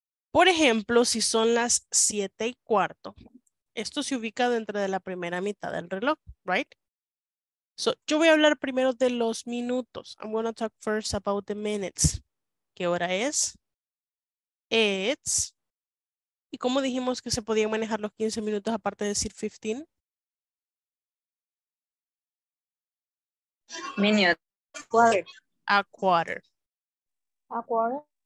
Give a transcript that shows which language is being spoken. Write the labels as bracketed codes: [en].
[es] Por ejemplo, si son las 7:15, esto se ubica dentro de la primera mitad del reloj, right? So, yo voy a hablar primero de los minutos. [en] I'm going to talk first about the minutes. [es] ¿Qué hora es? [en] It's. [es] ¿Y cómo dijimos que se podían manejar los 15 minutos aparte de decir 15? [en] Minutes. Quarter. A quarter. A quarter.